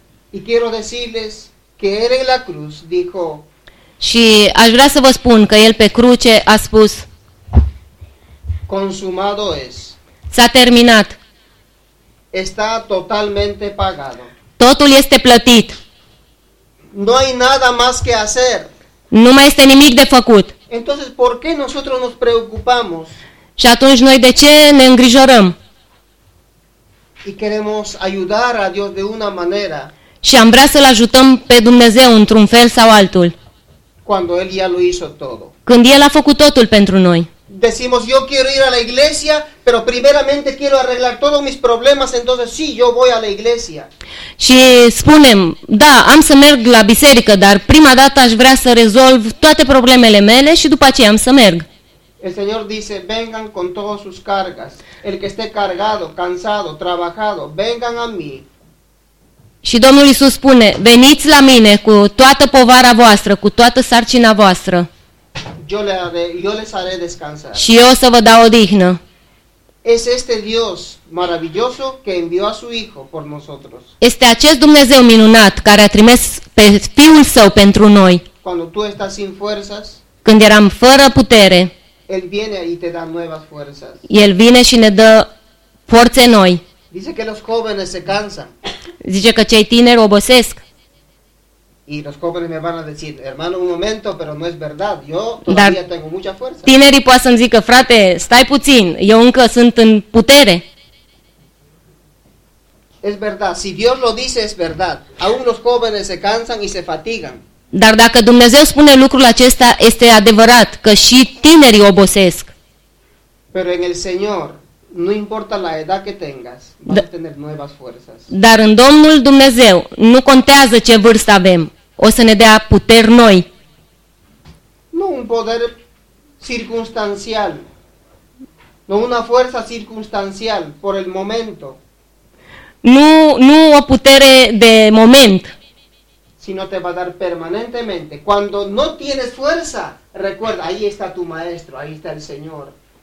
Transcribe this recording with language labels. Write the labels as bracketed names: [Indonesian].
[Spanish] Y quiero decirles que él en la cruz dijo. [Romanian] Și aș vrea să vă spun că el pe cruce a spus. [Spanish] Consumado es. [Romanian] S-a terminat. [Spanish] Está totalmente pagado. [Romanian] Totul este plătit. [Spanish] No hay nada más que hacer. [Romanian] Nu mai este nimic de făcut. [Spanish] Entonces, ¿por qué nosotros nos preocupamos? [Romanian] Și atunci noi de ce ne îngrijorăm? [Spanish] Y queremos ayudar a Dios de una manera. [Romanian] Și am vrea să-L ajutăm pe Dumnezeu într-un fel sau altul. [Spanish] Cuando él ya lo hizo todo. [Romanian] Când El a făcut totul pentru noi. [Spanish] Decimos yo quiero ir a la iglesia, pero primeramente quiero arreglar todos mis problemas, entonces sí, yo voy a la iglesia. [Romanian] Și spunem, da, am să merg la biserică, dar prima dată aș vrea să rezolv toate problemele mele și după aceea am să merg. [Spanish] El Señor dice, vengan con todas sus cargas. El que esté cargado, cansado, trabajado, vengan a mí. [Romanian] Și Domnul Iisus spune, veniți la mine cu toată povara voastră, cu toată sarcina voastră. [Spanish] Yo les haré descansar. [Romanian] Și eu o să vă dau odihnă. [Spanish] Es este Dios maravilloso que envió a su Hijo por nosotros. [Romanian] Este acest Dumnezeu minunat care a trimis pe Fiul Său pentru noi. [Spanish] Cuando tú estás sin fuerzas. [Romanian] Când eram fără putere. [Spanish] El viene y te da nuevas fuerzas. [Romanian] El vine și ne dă forțe noi. [Spanish] Dice que los jóvenes se cansan. [Romanian] Zice că cei tineri obosesc. [Spanish] Y los jóvenes me van a decir, hermano, un momento, pero no es verdad. Yo todavía [Romanian] dar [Spanish] tengo mucha fuerza. [Romanian] Tinerii poate să-mi zică, frate, stai puțin, eu încă sunt în putere. [Spanish] Es verdad, si Dios lo dice, es verdad. Aún los jóvenes se cansan y se fatigan. [Romanian] Dar dacă Dumnezeu spune lucrul acesta, este adevărat că și tinerii obosesc. [Spanish] Pero en el Señor, no importa la edad que tengas, vas a tener nuevas fuerzas. [Romanian] Dar în Domnul Dumnezeu, nu contează ce vârstă avem, o să ne dea puteri noi. [Spanish] Nu un poder circunstancial, no una fuerza circunstancial por el momento. [Romanian] Nu o putere de moment. [Spanish] Sino te va dar permanentemente. Cuando no tienes fuerza, recuerda, ahí está tu maestro, ahí está el Señor.